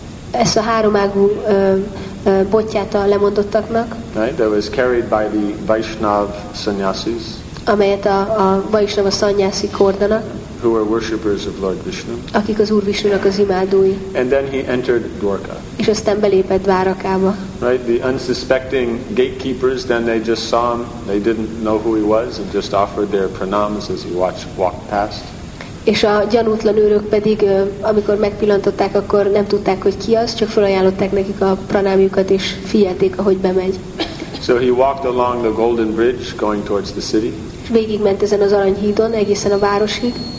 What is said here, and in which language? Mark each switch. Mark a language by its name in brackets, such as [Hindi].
[Hungarian] Ezt a háromágú botját a lemondottaknak. [English] Right, that was carried by the Vaishnav sannyasis. [Hungarian] Amelyet a Vaishnava sannyasi kordanak. [English] Who were worshippers of Lord Vishnu. [Hungarian] Akik az Úr Vishnunak az imádói. [English] And then he entered Dvarka. [Hungarian] És aztán belépett Dvarakába. [English] Right, the unsuspecting gatekeepers, then they just saw him, they didn't know who he was, and just offered their pranams as he walked past. [Hungarian] És a gyanútlan őrök pedig, amikor megpillantották, akkor nem tudták, hogy ki az, csak felajánlották nekik a pranámjukat, és figyelték, ahogy bemegy. [English] So he walked along the golden bridge going towards the city. [Hungarian] És végigment ezen az aranyhídon, egészen a városig.